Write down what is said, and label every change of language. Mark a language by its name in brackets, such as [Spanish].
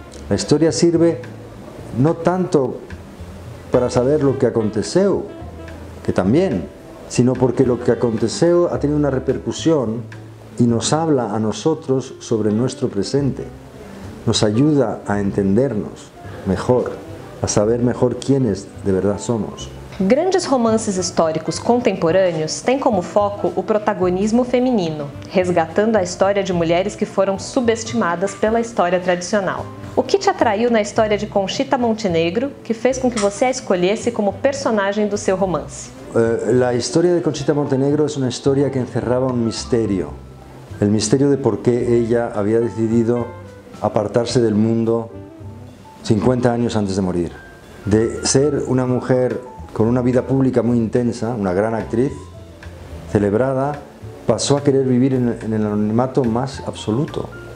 [Spanish] La historia sirve no tanto para saber lo que aconteceu, que también, sino porque lo que aconteceu ha tenido una repercusión y nos habla a nosotros sobre nuestro presente. Nos ayuda a entendernos mejor, a saber mejor quiénes de verdad somos. [Portuguese] Grandes romances históricos contemporâneos têm como foco o protagonismo feminino, resgatando a história de mulheres que foram subestimadas pela história tradicional. O que te atraiu na história de Conchita Montenegro que fez com que você a escolhesse como personagem do seu romance? A história de Conchita Montenegro é uma história que encerrava um mistério. O mistério de por que ela havia decidido apartar-se do mundo [Spanish] 50 años antes de morir, de ser una mujer con una vida pública muy intensa, una gran actriz, celebrada, pasó a querer vivir en el anonimato más absoluto.